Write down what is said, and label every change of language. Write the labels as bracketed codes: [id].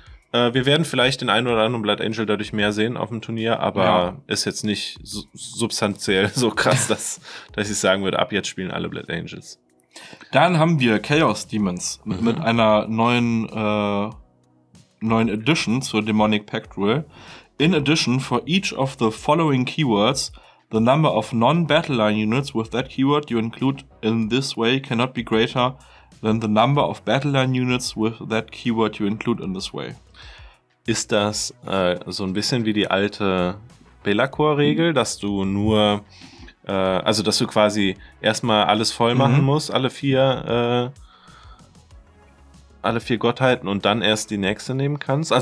[de] Wir werden vielleicht den einen oder anderen Blood Angel dadurch mehr sehen auf dem Turnier, aber ist jetzt nicht substanziell so krass, dass ich sagen würde, ab jetzt spielen alle Blood Angels. Dann haben wir Chaos Demons mit einer neuen Edition zur Demonic Pact Rule. [en] In addition, for each of the following keywords, the number of non-battleline units with that keyword you include in this way cannot be greater than the number of battleline units with that keyword you include in this way. [de] Ist das so ein bisschen wie die alte Belacor-Regel, dass du nur, also dass du quasi erstmal alles voll machen musst, alle vier Gottheiten und dann erst die nächste nehmen kannst?